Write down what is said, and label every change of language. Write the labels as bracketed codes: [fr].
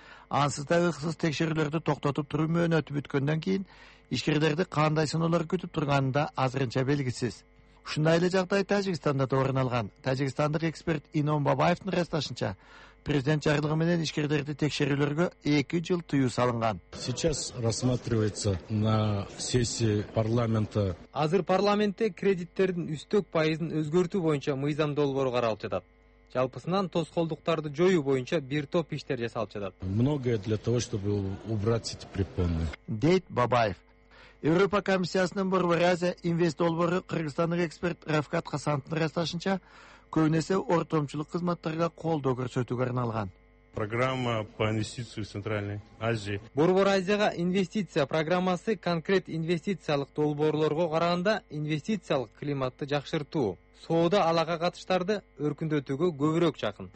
[ky] Ансыз да ыксыз текшерүүлөрдү токтотуп туруу мөөнөтү бүткөндөн кийин ишкерлерди кандай сыноолор күтүп турганы да азырынча белгисиз. Ушундай эле жагдай Тажикстанда да орун алган. Тажикстандык эксперт Инон Бабаевдин ырасташынча, президент жарлыгы менен ишкерлерди текшерүүлөргө 2 жыл тыюу салынган. [ru] Сейчас рассматривается на сессии парламента. [ky] Азыр парламентте кредиттердин үстөк пайызын өзгөртүү боюнча мыйзам долбоору каралып жатат. Жалпысынан тоскоолдуктарды жоюу боюнча бир топ иштер жасалып жатат. [ru] Многое для того, чтобы убрать эти препоны. [ky] Дейт Бабаев. Европа комиссиясынын Борбор Азия инвест долбоору Кыргызстандык эксперт Рафкат Хасановдун ырасташынча, көбүнесе ортомчулук кызматтарга колдоо көрсөтүүгө арналган. [ru] Программа по инвестициям в Центральной Азии. [ky] Борбор Азияга инвестиция программасы конкрет инвестициялык долбоорлорго караганда инвестициялык климатты жакшыртуу, соода алага катыштарды өркүндөтүүгө көбүрөөк жакын.